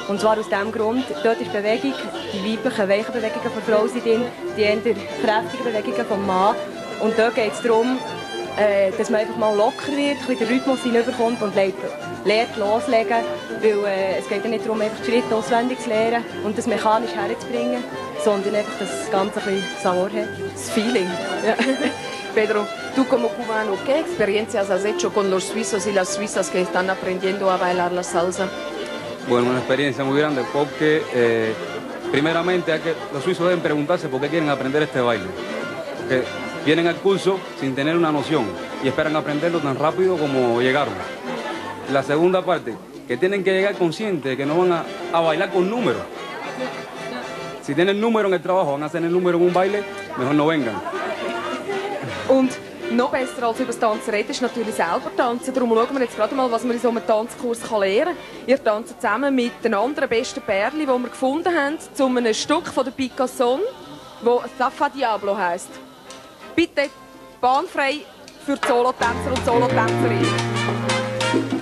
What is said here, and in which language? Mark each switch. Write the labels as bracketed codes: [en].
[de] Und zwar aus dem Grund, dort ist Bewegung, die weiblichen Weichenbewegungen von Frau sind drin, die eher kräftigen Bewegungen vom Mann. Und dort geht es darum, dass man einfach mal locker wird, ein bisschen den Rhythmus hineinbekommt und lernt loslegen. Weil es geht ja nicht darum, einfach Schritte auswendig zu lernen und das mechanisch herzubringen, sondern einfach das Ganze ein bisschen Sabor hat. Das Feeling. Ja. [es] Pedro, tu como cubano, ¿qué experiencias has hecho con los suizos y las suizas que están aprendiendo a bailar la salsa? Bueno, una experiencia muy grande porque, primeramente, hay que, los suizos deben preguntarse por qué quieren aprender este baile. Porque vienen al curso sin tener una noción y esperan aprenderlo tan rápido como llegaron. La segunda parte, que tienen que llegar conscientes de que no van a bailar con números. Si tienen número en el trabajo, van a hacer el número en un baile, mejor no vengan. [de] Und noch besser als über das Tanzen reden, ist natürlich selber tanzen. Darum schauen wir jetzt gerade mal, was man in so einem Tanzkurs lernen kann. Ihr tanzt zusammen mit den anderen besten Perlen, die wir gefunden haben, zu einem Stück von der Picasso, das Zaffa Diablo heisst. Bitte bahnfrei für Solotänzer und Solotänzerinnen.